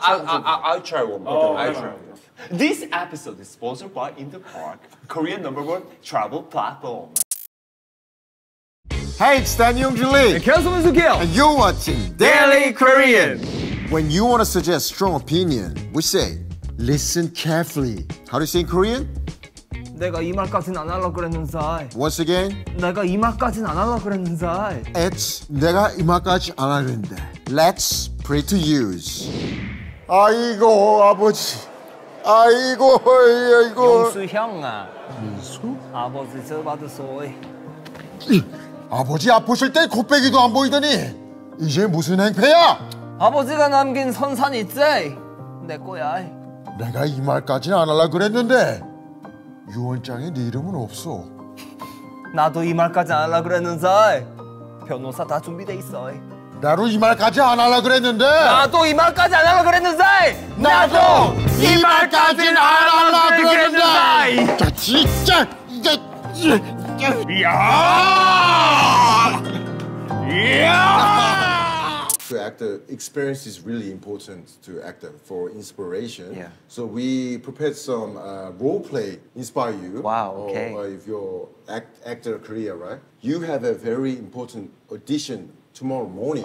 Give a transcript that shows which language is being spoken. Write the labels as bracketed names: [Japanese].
[English] I'll try one. This episode is sponsored by InterPod, Korean number one travel platform. Hey, it's Daniel Yongju Lee. And Kelson Mizukil. And you're watching Daily Korean. When you want to suggest strong opinion, we say, listen carefully. How do you say in Korean? [Korean] 내가 이 말까진 안 하려고 그랬는지. [English] Once again? [Korean] 내가 이 말까진 안 하려고 그랬는지. [English] It's [Korean] 내가 이 말까지 안 하려는데. [English] Let's pray to use. [Korean] 아이고, 아버지. 아이고, 아이고. 용수 형아. 용수? 아버지 저 받으소. 아버지 아프실 때 곱빼기도 안 보이더니 이제 무슨 행패야? 아버지가 남긴 선산 있지? 내 거야. 내가 이 말까지는 안 하려고 그랬는데 유언장에 네 이름은 없어. 나도 이 말까지 안 하려고 그랬는지 변호사 다 준비돼 있어. 나도 이 말까지 안 하려고 그랬는데 나도 이 말까지 안 하려고 그랬는지 나도 이 말까지는 안 하려고 그랬는지 나 진짜 이게 야! 야! [English] To act, the experience is really important to act for inspiration. Yeah. So we prepared some role play inspire you. Wow. Okay. Or if your actor career, right? You have a very important audition tomorrow morning.